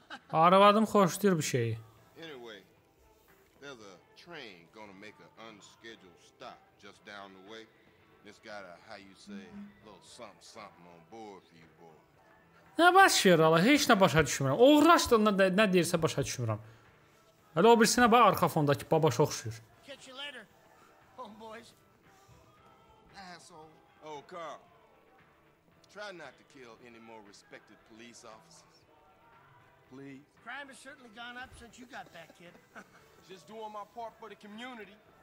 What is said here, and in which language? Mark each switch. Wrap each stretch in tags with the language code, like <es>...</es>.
<az>Arvadım xoşlayır bir şeyi.</az> <en>Anyway, there's a train gonna make an unscheduled stop just down the way. It's got a, how you say, little something something on board for you boy.</en> <az>Nə baş verir Allah, heç nə başa düşmürəm. Oğraşdığında nə deyirsə başa düşmürəm. Hələ o birisinə bax, arxa fondakı babaş oxşuyur.</az> <en>Catch you later, homeboys. Asshole. Oh, Carl. Try not to kill any more respected police officers. Please. Crime has certainly gone up since you got that kid. Just doing my part for the community.</en>